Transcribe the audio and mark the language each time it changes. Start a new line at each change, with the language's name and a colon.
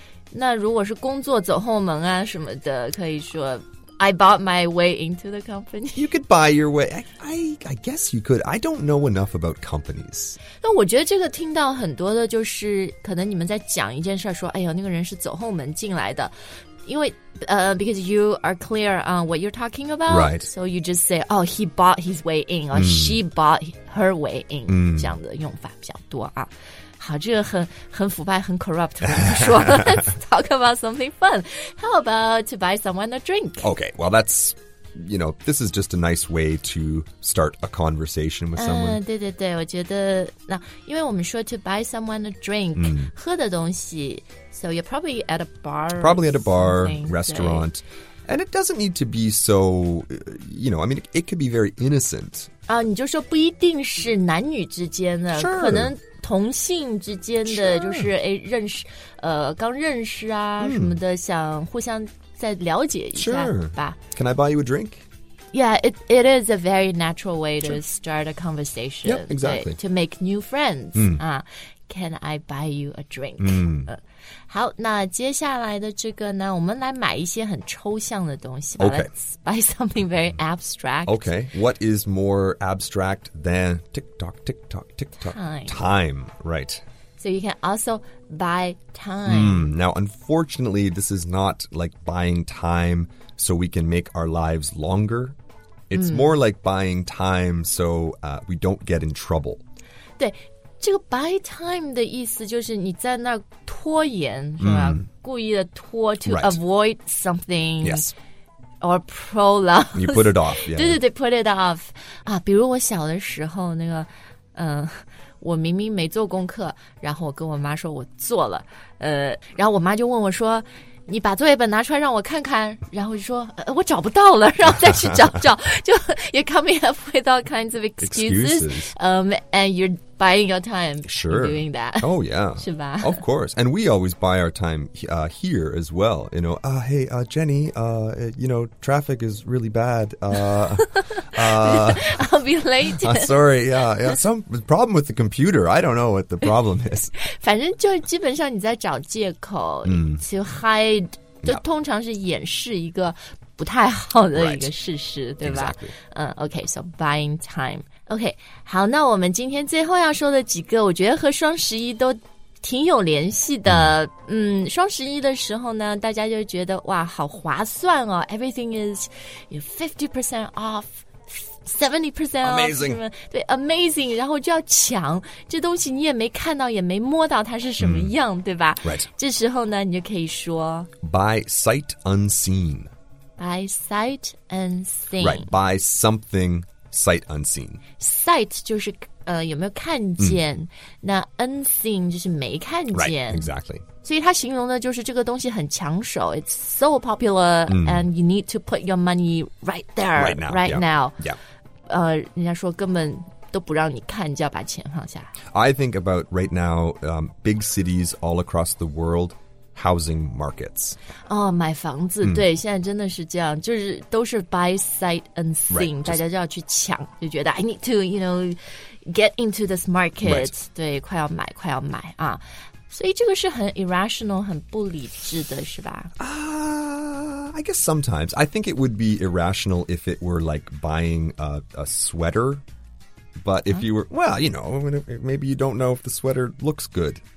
Chinese: 那如果是工作走后门啊什么的，可以说
English: I bought my way into the company. You could buy your way. I guess you could. I don't know enough about companies.
Chinese: 那我觉得这个听到很多的就是可能你们在讲一件事说哎呦那个人是走后门进来的。因为
English: because you are clear on what you're talking about. Right. So you just say, oh, he bought his way in, or she bought her way in.
Chinese: 这样的用法比较多啊。好，这个很腐败，很 corrupt。我们说，
English: Let's talk about something fun. How about to buy someone a drink? Okay, well, that's, you know, this is just a nice way to start a conversation with someone.
Chinese: 对对对，我觉得那因为我们说
English: to buy someone a drink，
Chinese: 喝的东西。
English: So you're probably at a bar. Probably at a bar, restaurant. And it doesn't need to be so, you know, I mean, it could be very innocent.
Chinese: 你就说不一定是男女之间的。
English: Sure.
Chinese: 可能同性之间的就是、sure. 哎、认识刚认识啊、什么的想互相再了解一下吧。
English: Sure. Can I buy you a drink? Yeah, it is a very natural way to start a conversation. Yep, exactly. To make new friends. Can I buy you a drink?
Chinese: 好，那接下来的这个呢，我们来买一些很抽象的东西吧。
English: Okay. Let's buy something very abstract. Okay, what is more abstract than tick-tock, tick-tock, tick-tock? Time. Time, right. So you can also buy time. Now, unfortunately, this is not like buying time. So we can make our lives longer. It's more like buying time so we don't get in trouble.
Chinese: 对，这个 buy time 的意思就是你在那拖延，是吧？故意的拖
English: to avoid something. Yes. Or prolong. You put it off. Yeah.
Chinese: 对对对 ，
English: put it off.
Chinese: 啊，比如我小的时候那个，我明明没做功课，然后我跟我妈说我做了，然后我妈就问我说。你把作业本拿出来让我看看，然后就说我找不到了，然后再去找找，就
English: you're coming up with all kinds of excuses, and you're buying your time. Sure, doing that. Oh yeah,
Chinese: 是吧
English: ？Of course, and we always buy our time here as well. You know, hey, Jenny, you know, traffic is really bad. I'll be late. Sorry, yeah, some problem with the computer. I don't know what the problem is.
Chinese: 反正就基本上你在找借口
English: to hide,
Chinese: 就通常是掩饰一个不太好的一个事实，对吧？
English: Okay, so buying time.
Chinese: Okay, 好，那我们今天最后要说的几个，我觉得和双十一都挺有联系的。双十一的时候呢，大家就觉得哇，好划算哦 ，
English: everything is 50% off。 70% off, amazing.
Chinese: 对 amazing, 然后就要抢这东西你也没看到也没摸到它是什么样对吧
English: Right.
Chinese: 这时候呢你就可以说
English: By sight unseen. By sight unseen. Right, by something sight unseen.
Chinese: Sight 就是有没有看见那 unseen 就是没看见
English: Right, exactly.
Chinese: 所以它形容的就是这个东西很抢手
English: It's so popular and you need to put your money right there. Right now. Right yeah. now. Yeah.
Chinese: 人家说根本都不让你看就要把钱放下
English: I think about right now, big cities all across the world, housing markets.
Chinese: 哦、oh, 买房子、对现在真的是这样就是都是 by sight unseen,
English: right,
Chinese: 大家就要去抢就觉得
English: I need to, you know,Get into this market,、 right.
Chinese: 对，快要买，快要买啊！所以这个是很 irrational, 很不理智的，是吧？
English: I guess sometimes I think it would be irrational if it were like buying a sweater, but if you were, well, you know, maybe you don't know if the sweater looks good.